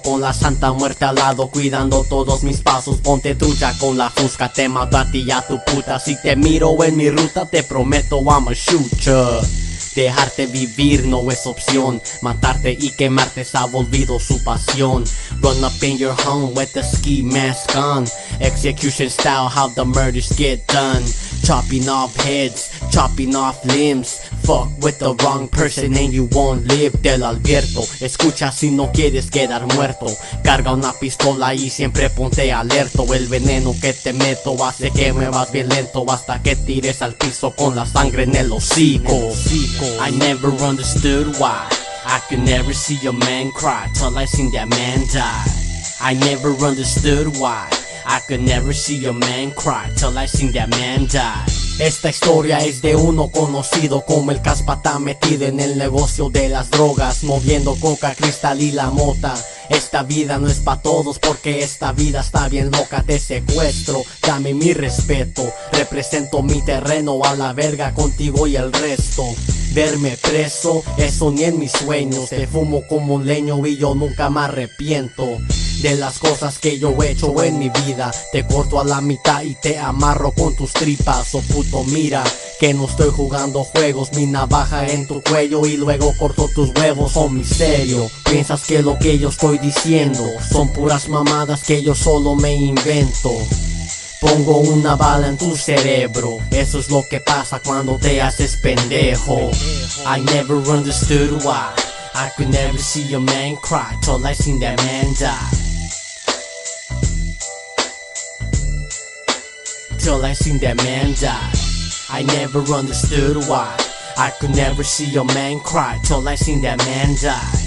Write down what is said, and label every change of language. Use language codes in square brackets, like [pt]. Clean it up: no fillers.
[es] Con la santa muerte al lado, cuidando todos mis pasos. Ponte trucha con la fusca, te mato a ti y a tu puta. Si te miro en mi ruta, te prometo, [en] I'm a shoot. [es] Dejarte vivir no es opción. Matarte y quemarte se ha volvido su pasión. [en] Run up in your home with the ski mask on. Execution style, how the murders get done. Chopping off heads, chopping off limbs. Fuck with the wrong person and you won't live. [es] Te lo advierto, escucha si no quieres quedar muerto. Carga una pistola y siempre ponte alerto. El veneno que te meto hace que me vas bien lento. Hasta que tires al piso con la sangre en el hocico. [en] I never understood why I could never see a man cry till I seen that man die. I never understood why I could never see a man cry till I seen that man die. [es] Esta historia es de uno conocido como el Caspa, está metido en el negocio de las drogas, moviendo coca, cristal y la mota. Esta vida no es pa' todos porque esta vida está bien loca. Te secuestro, dame mi respeto. Represento mi terreno, a la verga contigo y el resto. Verme preso, eso ni en mis sueños. Te fumo como un leño y yo nunca me arrepiento de las cosas que yo he hecho en mi vida. Te corto a la mitad y te amarro con tus tripas. Oh puto, mira que no estoy jugando juegos. Mi navaja en tu cuello y luego corto tus huevos. Oh, misterio, piensas que lo que yo estoy diciendo son puras mamadas que yo solo me invento. Pongo una bala en tu cerebro. Eso es lo que pasa cuando te haces pendejo. [en] I never understood why I could never see a man cry till I seen that man die. Till I seen that man die. I never understood why I could never see a man cry till I seen that man die.